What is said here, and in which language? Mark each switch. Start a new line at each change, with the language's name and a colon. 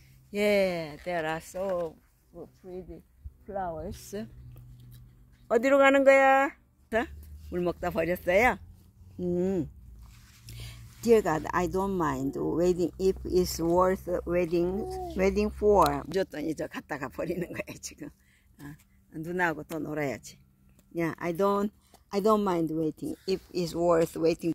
English: Yeah, there are so pretty flowers.
Korean: 어디로 가는 거야? 물 먹다 버렸어요?
English: Dear God, I don't mind waiting if it's worth waiting for.
Korean: 줬더니 저 갖다가 버리는 거야 지금. 누나하고 또 놀아야지.
English: Yeah, I don't mind waiting if it's worth waiting.